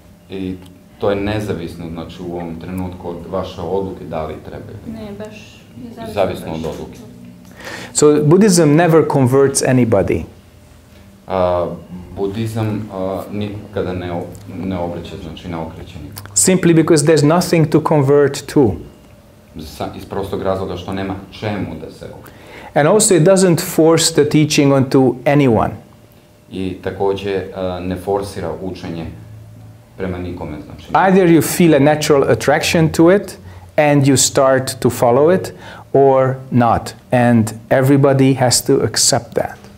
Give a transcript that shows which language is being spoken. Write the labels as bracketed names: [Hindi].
[Serbian] I to je nezavisno, znači u ovom trenutku od vaše odluke da li treba. Ne, baš nezavisno. Zavisno od odluke. [English] So Buddhism never converts anybody. [Serbian] Buddhism nikada ne obraća, znači ne okreće nikoga. [English] Simply because there's nothing to convert to. [Serbian] Iz prostog razloga što nema čemu da se okreće. [English] And also it doesn't force the teaching onto anyone. [Serbian] I također ne forsira učenje prema nikome. Znači, [English] either you feel a natural attraction to it and you start to follow it, or not. And everybody has to accept that.